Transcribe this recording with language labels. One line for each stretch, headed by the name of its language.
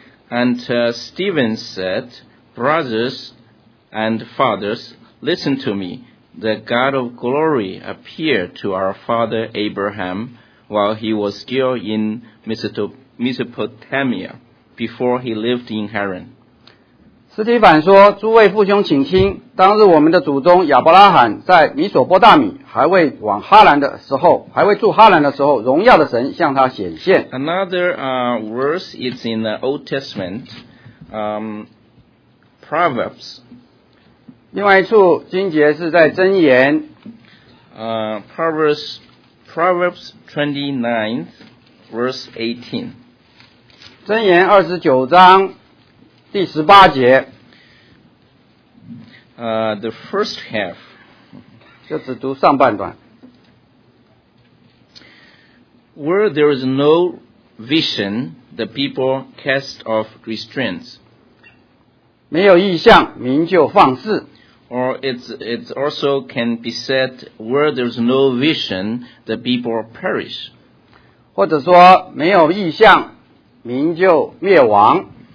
English: and Stephen said, brothers and fathers, listen to me. The God of glory appeared to our father Abraham while he was still in Mesopotamia before he lived in Haran.
Chinese: 斯提凡说, 诸位父兄请听, 当日我们的祖宗亚伯拉罕在米索波大米还未往哈兰的时候, 还未住哈兰的时候, 荣耀的神向他显现。
English: Another verse is in the Old Testament, Proverbs.
Chinese: 另外一处经节是在箴言,
English: Proverbs 29, verse 18.
Chinese: 箴言29章第18节,
English: the first half,
Chinese: 就只读上半段,
English: where there is no vision, the people cast off restraints.
Chinese: 没有意象, 民就放肆,
English: or it's also can be said, where there's no vision, the people perish.
Chinese: 或者说没有意象, 民就灭亡,